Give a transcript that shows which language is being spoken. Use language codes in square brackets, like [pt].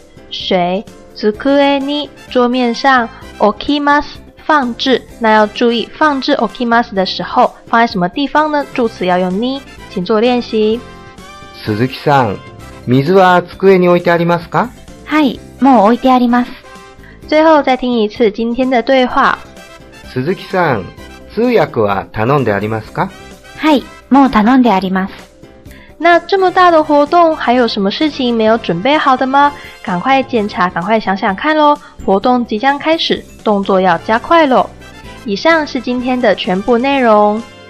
[ja] 水、机に [zh] 桌面上 [ja] 置きます [zh] 放置。那要注意放置 [ja] 置きます [zh] 的时候放在什么地方呢？助词要用に，请做练习。 [ja] 鈴木さん、水は机に置いてありますか？はい。もう置いてあります。最後、 [zh] 再听一次今天的对话。 [ja] 鈴木さん、通訳は頼んでありますか？はい、もう頼んであります。 [zh] 那这么大的活动、还有什么事情没有准备好的吗？赶快检查、赶快想想看咯。活动即将开始、动作要加快咯。以上是今天的全部内容。